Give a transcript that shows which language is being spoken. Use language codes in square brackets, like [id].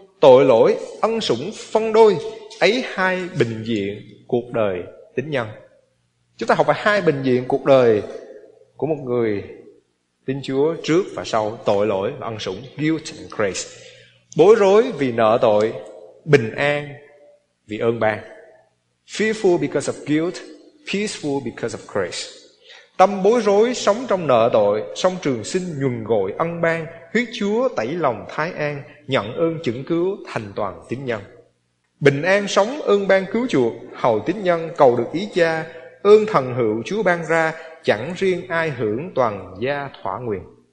[vi] Tội lỗi ân sủng phân đôi, ấy hai bình diện cuộc đời tín nhân. Chúng ta học về hai bình diện cuộc đời của một người tin Chúa trước và sau: tội lỗi và ân sủng, [en] guilt and grace. [vi] Bối rối vì nợ tội, bình an vì ơn ban. [en] Fearful because of guilt, peaceful because of grace. [vi] Tâm bối rối sống trong nợ tội, song trường sinh nhuần gội ân ban, huyết Chúa tẩy lòng thái an, nhận ơn chứng cứu thành toàn tín nhân. Bình an sống ơn ban cứu chuộc, hầu tín nhân cầu được ý cha, ơn thần hữu Chúa ban ra, chẳng riêng ai hưởng toàn gia thỏa nguyện.